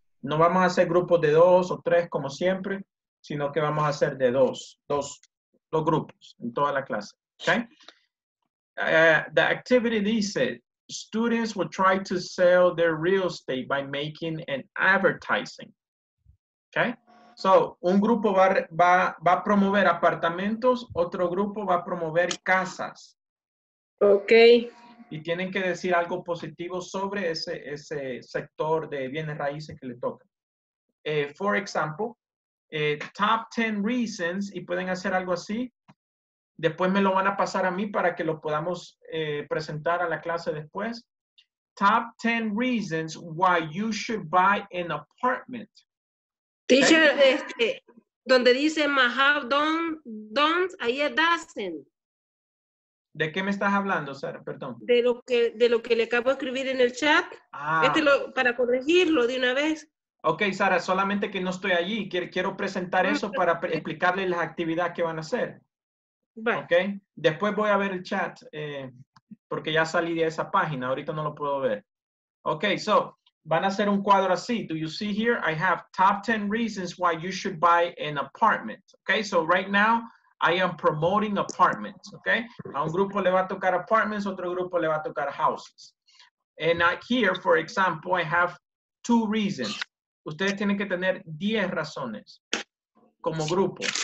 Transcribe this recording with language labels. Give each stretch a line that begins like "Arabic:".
Spanish: No vamos a hacer grupos de dos o tres como siempre, sino que vamos a hacer de dos grupos en toda la clase, okay?
English: The activity dice, students will try to sell their real estate by making an advertising, okay?
Spanish: So, un grupo va a promover apartamentos, otro grupo va a promover casas. Okay. Y tienen que decir algo positivo sobre ese, ese sector de bienes raíces que le toca.
English: For example, top 10 reasons,
Spanish: y pueden hacer algo así. Después me lo van a pasar a mí para que lo podamos presentar a la clase después.
English: Top 10 reasons why you should buy an apartment.
Spanish: Teacher, okay. Este, donde dice
English: my house don't,
Spanish: ahí es doesn't. ¿De qué me estás hablando, Sara? Perdón. De lo que le acabo de escribir en el chat. Ah. Este lo, para corregirlo de una vez. Ok, Sara, solamente que no estoy allí. Quiero presentar eso para explicarle las actividades que van a hacer.
English: Bye. Ok.
Spanish: Después voy a ver el chat porque ya salí de esa página. Ahorita no lo puedo ver. Ok, so van a hacer un cuadro así.
English: Do you see here? I have top 10 reasons why you should buy an apartment. Ok, so right now I am promoting apartments. Ok.
Spanish: A un grupo le va a tocar apartments, otro grupo le va a tocar houses.
English: And here, for example, I have 2 reasons.
Spanish: Ustedes tienen que tener 10 razones como grupo.